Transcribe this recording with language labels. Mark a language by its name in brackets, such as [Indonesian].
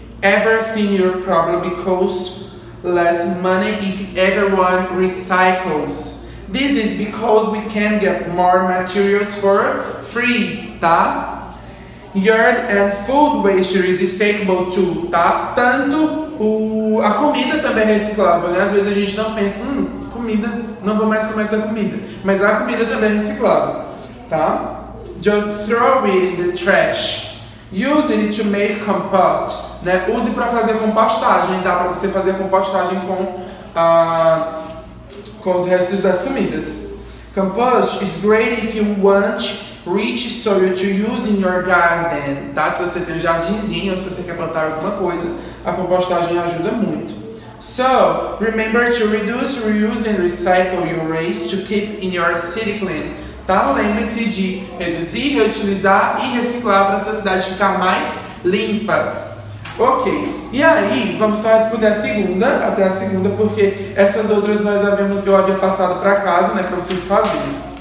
[English] Everything your problem costs less money if everyone recycles. This is because we can get more materials for free, tá? Yard and food waste is recyclable too, tá? Tanto [Portuguese] A comida também é reciclável, né? Às vezes a gente não pensa, comida, não vou mais comer essa comida. Mas a comida também é reciclável, tá? [English] Don't throw it in the trash. Use it to make compost, [Portuguese] né? Use para fazer compostagem, dá para você fazer compostagem com os restos das comidas. [English] Compost is great if you want rich soil to use in your garden, tá? [Portuguese] Se você tem um jardinzinho, se você quer plantar alguma coisa, a compostagem ajuda muito. [English] So, remember to reduce, reuse and recycle your waste to keep in your city clean. [Portuguese] Tá? Lembre-se de reduzir, reutilizar e reciclar para a sua cidade ficar mais limpa. Ok, e aí vamos só responder até a segunda, porque essas outras nós havíamos que eu havia passado para casa, né, para vocês fazerem.